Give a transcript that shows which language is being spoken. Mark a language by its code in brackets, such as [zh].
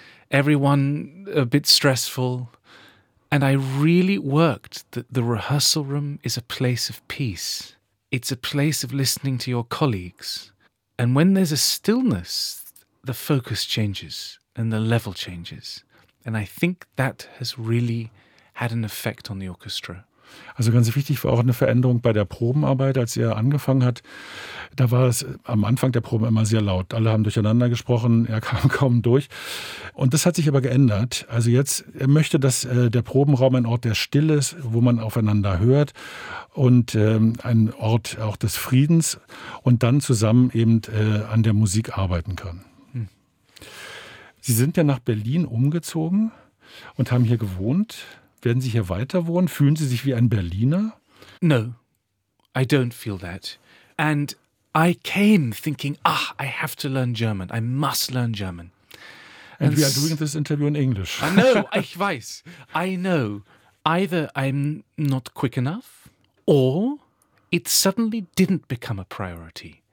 [en] Everyone a bit stressful. And I really worked that the rehearsal room is a place of peace. It's a place of listening to your colleagues. And when there's a stillness, the focus changes and the level changes. And I think that has really had an effect on the orchestra. [de] Also ganz wichtig war auch eine Veränderung bei der Probenarbeit, als er angefangen hat. Da war es am Anfang der Probe immer sehr laut. Alle haben durcheinander gesprochen, er kam kaum durch. Und das hat sich aber geändert. Also jetzt, er möchte, dass der Probenraum ein Ort der Stille ist, wo man aufeinander hört, und ein Ort auch des Friedens und dann zusammen eben an der Musik arbeiten kann. Sie sind ja nach Berlin umgezogen und haben hier gewohnt. Werden Sie hier weiter wohnen? Fühlen Sie sich wie ein Berliner? [en] No, I don't feel that. And I came thinking, ah, I have to learn German. I must learn German. And we are doing this interview in English. I know, [de] ich weiß. [en] I know. Either I'm not quick enough or it suddenly didn't become a priority.